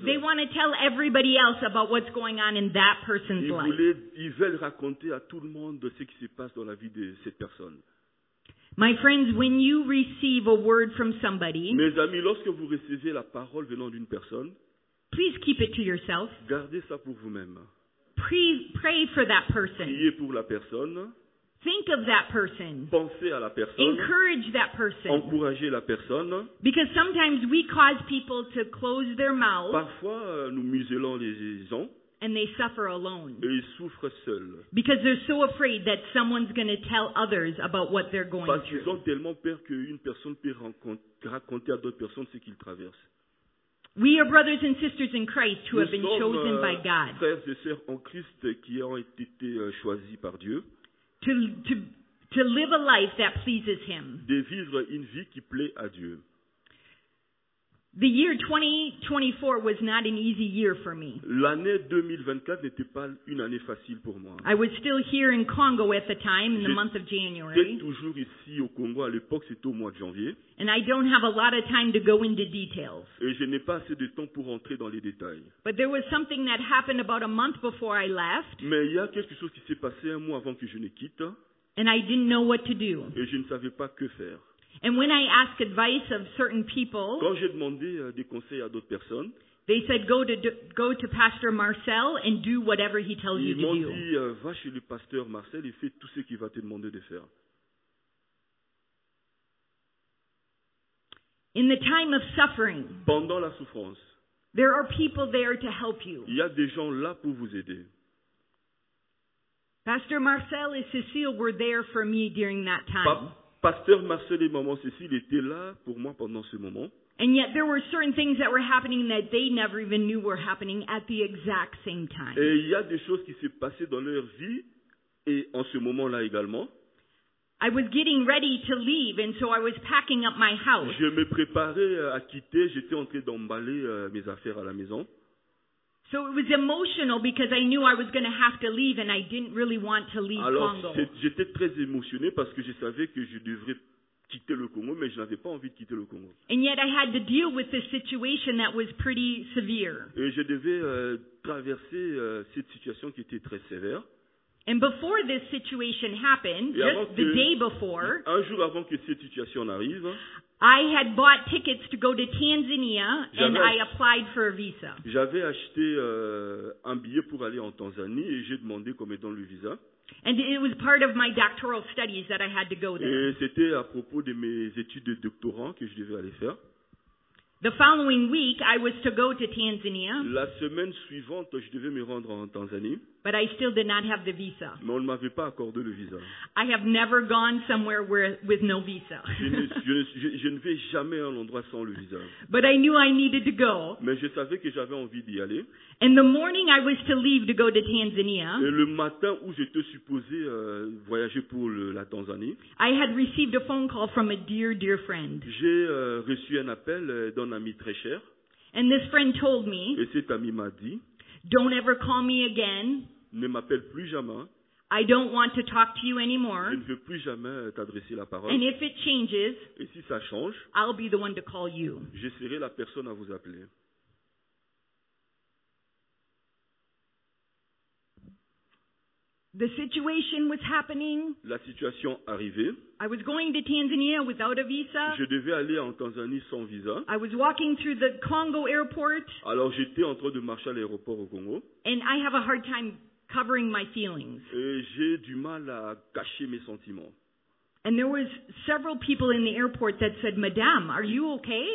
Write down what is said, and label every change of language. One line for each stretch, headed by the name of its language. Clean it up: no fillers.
English: they want to tell everybody else about what's going on in that person's life.
French: Ils veulent raconter à tout le monde de ce qui se passe dans la vie de cette personne.
English: My friends, when you receive a word from somebody,
French: mes amis, lorsque vous recevez la parole venant d'une personne,
English: please keep it to yourself.
French: Gardez ça pour vous-même.
English: Pray for that person.
French: Priez pour la personne.
English: Think of that person.
French: Pensez à la personne.
English: Encourage that person.
French: Encouragez la personne.
English: Because sometimes we cause people to close their mouths.
French: Parfois, nous muselons les gens.
English: And they suffer alone.
French: Et ils souffrent seuls.
English: Because they're so afraid that someone's going to tell others about what they're going through.
French: Parce qu'ils ont tellement peur qu'une personne peut raconter à d'autres personnes ce qu'ils traversent.
English: We are brothers and sisters in Christ who
French: Nous
English: have been chosen by God.
French: Frères et sœurs en Christ qui ont été choisis par Dieu.
English: To live a life that pleases Him.
French: De vivre une vie qui plaît à Dieu.
English: The year 2024 was not an easy year for me.
French: L'année 2024 n'était pas une année facile pour moi.
English: I was still here in Congo at the time, in the month of January.
French: J'étais toujours ici au Congo à l'époque, c'était au mois de janvier.
English: And I don't have a lot of time to go into details.
French: Et je n'ai pas assez de temps pour entrer dans les détails.
English: But there was something that happened about a month before I left.
French: Mais il y a quelque chose qui s'est passé un mois avant que je ne quitte.
English: And I didn't know what to do.
French: Et je ne savais pas que faire.
English: And when I asked advice of certain people,
French: quand j'ai demandé des conseils à d'autres personnes,
English: they said go to Pastor Marcel and do whatever he tells you to do.
French: Ils m'ont dit va chez le pasteur Marcel et fais tout ce qu'il va te demander de faire.
English: In the time of suffering,
French: pendant la souffrance,
English: there are people there to help you.
French: Il y a des gens là pour vous aider.
English: Pastor Marcel and Cecile were there for me during that time.
French: Pasteur Marcel et maman Cécile étaient là pour moi pendant ce moment.
English: And yet there were certain things that were happening that they never even knew were happening at the exact same time.
French: Et il y a des choses qui s'est passé dans leur vie et en ce moment-là également.
English: I was getting ready to leave and so I was packing up my house.
French: Je me préparais à quitter, j'étais en train d'emballer mes affaires à la maison.
English: So it was emotional because I knew I was going to have to leave and I didn't really want to leave
French: Alors,
English: Congo.
French: Alors, j'étais très émotionné parce que je savais que je devrais quitter le Congo, mais je n'avais pas envie de quitter le Congo.
English: And yet I had to deal with this situation that was pretty severe.
French: Et je devais traverser cette situation qui était très sévère.
English: And before this situation happened,
French: Et
English: just the day before,
French: un jour avant que cette situation arrive,
English: I had bought tickets to go to Tanzania, and I applied for a visa.
French: J'avais acheté un billet pour aller en Tanzanie et j'ai demandé comme étant le visa.
English: And it was part of my doctoral studies that I had to go there.
French: Et c'était à propos de mes études de doctorat que je devais aller faire.
English: The following week, I was to go to Tanzania.
French: La semaine suivante, je devais me rendre en Tanzanie.
English: But I still did not have the visa.
French: Mais on ne m'avait pas accordé le visa.
English: I have never gone somewhere with no visa.
French: je ne vais jamais à un endroit sans le visa.
English: But I knew I needed to go.
French: Mais je savais que j'avais envie d'y aller.
English: And the morning I was to leave to go to Tanzania.
French: Et le matin où j'étais supposé voyager pour la Tanzanie.
English: I had received a phone call from a dear, dear friend.
French: J'ai reçu un appel d'un ami très cher.
English: And this friend told me.
French: Et cet ami m'a dit.
English: Don't ever call me again.
French: Ne m'appelle plus jamais.
English: I don't want to talk to you anymore.
French: Je ne veux plus jamais t'adresser la parole.
English: And if it changes,
French: Et si ça change,
English: I'll be the one to call you.
French: Je serai la personne à vous appeler.
English: The situation was happening.
French: La situation arrivait.
English: I was going to Tanzania without a visa.
French: Je devais aller en Tanzanie sans visa.
English: I was walking through the Congo airport.
French: Alors j'étais en train de marcher à l'aéroport au Congo.
English: And I have a hard time covering my feelings.
French: Et j'ai du mal à cacher mes sentiments.
English: And there was several people in the airport that said, "Madame, are you okay?"